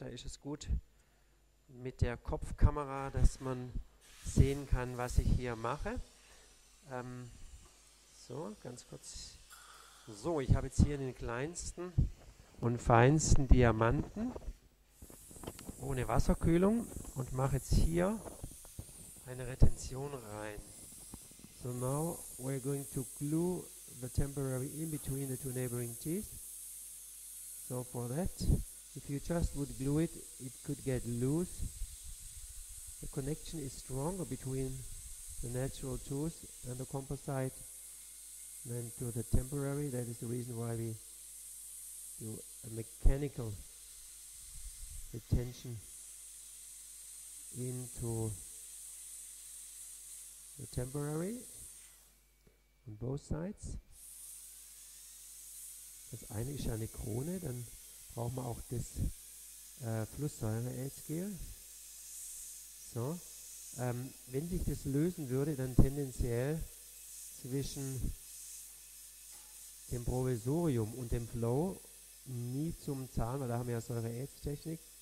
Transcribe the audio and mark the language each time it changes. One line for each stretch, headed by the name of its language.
German: Da ist es gut mit der Kopfkamera, dass man sehen kann, was ich hier mache. So, ganz kurz. So, ich habe jetzt hier den kleinsten und feinsten Diamanten ohne Wasserkühlung und mache jetzt hier eine Retention rein.
English: So now we're going to glue the temporary in between the two neighboring teeth. So for that, if you just would glue it, it could get loose. The connection is stronger between the natural tooth and the composite than to the temporary. That is the reason why we do a mechanical retention into the temporary on both sides.
German: Das eine ist ja eine Krone, dann brauchen wir auch das Flusssäure-Aidgel. So. Wenn sich das lösen würde, dann tendenziell zwischen dem Provisorium und dem Flow nie zum Zahn, weil da haben wir ja Säure-Aids-Technik.